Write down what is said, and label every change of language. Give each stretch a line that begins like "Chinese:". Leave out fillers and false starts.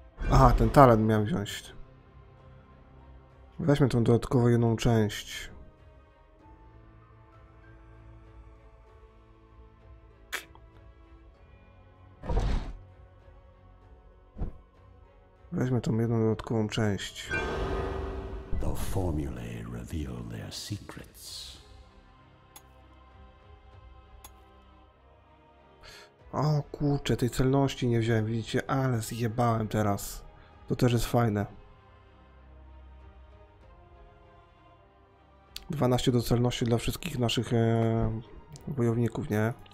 Polish: Aha, ten talent miał wziąć. Weźmy tą dodatkową jedną część. Weźmy tą jedną dodatkową część.
English: The formulae reveal their secrets.
Polish: O kurczę, tej celności nie wziąłem, widzicie, ale zjebałem teraz. To też jest fajne. 12 do celności dla wszystkich naszych wojowników, nie?